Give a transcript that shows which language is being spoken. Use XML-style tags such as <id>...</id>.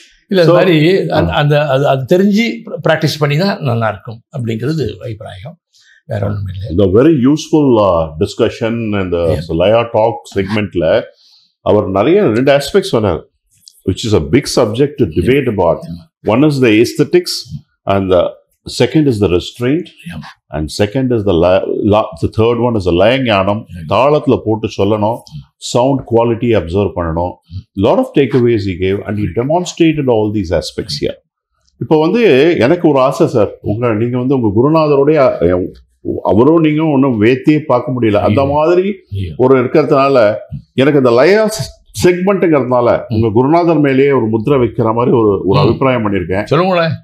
<ta>இல்லை மாதிரி அந்த அது அது தெரிஞ்சு ப்ராக்டிஸ் பண்ணி தான் நல்லாயிருக்கும் அப்படிங்கிறது அபிப்பிராயம், வேற ஒன்றும் இல்லை.</ta> <en>இந்த very useful discussion இந்த laya talk செக்மெண்ட்ல</en> <ta>அவர் நிறைய ரெண்டு ஆஸ்பெக்ட்ஸ் சொன்னார்,</ta> <en>Which is a big subject to debate about. One is the aesthetics and the second is the restraint, yeah. And second is the the third one is the layangyanam,</en> <ta>taalathula potu sollanum, sound quality observe pananum,</ta> <en>lot of takeaways he gave and he demonstrated all these aspects here.</en> <ta>Ipo vandu enakku or aasa sir, unga neenga vandu unga gurunadharude avaro neenga onnu veethiye paaka mudiyala andha maadhiri or irukkaradnala enakku the layas செக்மெண்ட்ங்கிறதுனால உங்க குருநாதர் மேலேயே ஒரு முத்திரை வைக்கிற மாதிரி ஒரு ஒரு அபிப்பிராயம் பண்ணியிருக்கேன் சொல்லுங்களேன்.</ta>